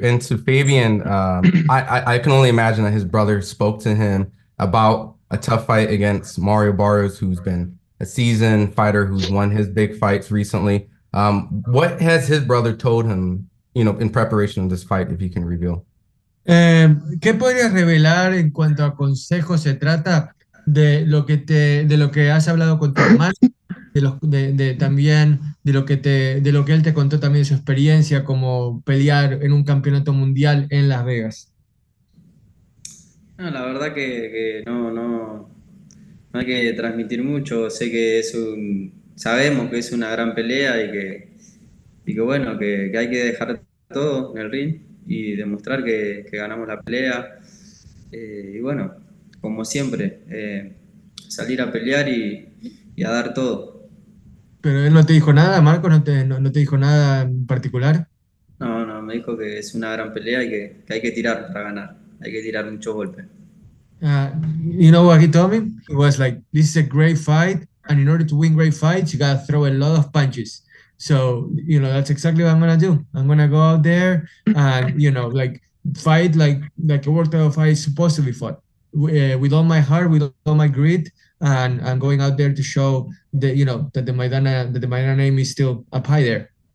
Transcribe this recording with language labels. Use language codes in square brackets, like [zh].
[en] And to Fabian, I can only imagine that his brother spoke to him about a tough fight against Mario Barrios, who's been a seasoned fighter who's won his big fights recently. What has his brother told him, you know, in preparation of this fight, if he can reveal? [es] ¿Qué podrías revelar en cuanto a consejos se trata de lo que has hablado con tu hermano, de lo que él te contó también de su experiencia como pelear en un campeonato mundial en Las Vegas? No, la verdad que no hay que transmitir mucho. Sé que es sabemos que es una gran pelea y que bueno, que hay que dejar todo en el ring y demostrar que ganamos la pelea. Y bueno, como siempre, salir a pelear y a dar todo. ¿Pero él no te dijo nada, Marco? ¿No te dijo nada en particular? No, me dijo que es una gran pelea y que hay que tirar para ganar. Hay que tirar muchos golpes. [en] You know what he told me? It was like, this is a great fight, and in order to win great fights, you gotta throw a lot of punches. So, you know, that's exactly what I'm gonna do. I'm gonna go out there and, you know, like, fight like a world title fight is supposed to be fought. With all my heart, with all my grit, and I'm going out there to show that, you know, that the Maidana name is still up high there.